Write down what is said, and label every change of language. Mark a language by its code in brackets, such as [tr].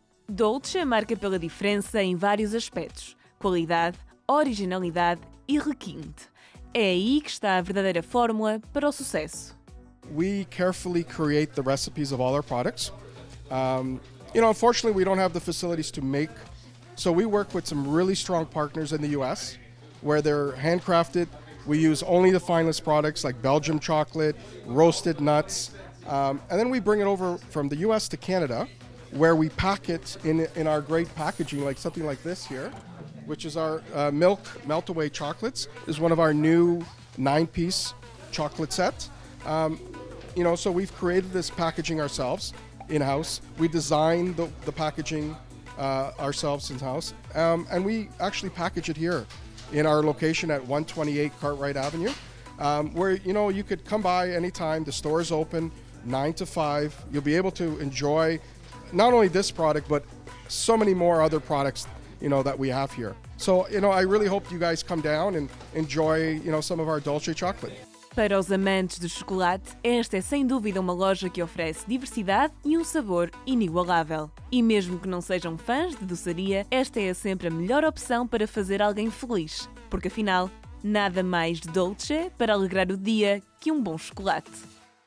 [pt] Dolce marca pela diferença em vários aspectos: qualidade, originalidade e requinte. É aí que está a verdadeira fórmula para o sucesso. [en] We carefully create the recipes of all our products. You know, unfortunately, we don't have the facilities to make. So we work with some really strong partners in the US, where they're handcrafted. We use only the finest products like Belgium chocolate, roasted nuts. And then we bring it over from the US to Canada, where we pack it in our great packaging, like something like this here, which is our milk melt-away chocolates, is one of our new 9-piece chocolate set. You know, so we've created this packaging ourselves in-house. We design the packaging ourselves in-house, and we actually package it here in our location at 128 Cartwright Avenue. where, you know, you could come by anytime. The store is open 9 to 5. You'll be able to enjoy not only this product, but so many more other products, you know, that we have here. So, you know, I really hope you guys come down and enjoy, you know, some of our Dolce chocolate. [pt] Para os amantes do chocolate, esta é sem dúvida uma loja que oferece diversidade e um sabor inigualável. E mesmo que não sejam fãs de doçaria, esta é sempre a melhor opção para fazer alguém feliz. Porque afinal, nada mais Dolce para alegrar o dia que um bom chocolate.